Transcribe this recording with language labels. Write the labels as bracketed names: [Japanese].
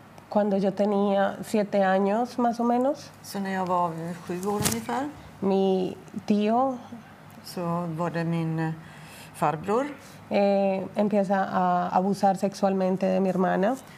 [Spanish] Cuando yo tenía 7 años más o menos, [Swedish] så när jag var 7 år ungefär, [Spanish] mi tío, [Swedish] så var det min farbror, [Spanish] empieza a abusar sexualmente de mi hermana,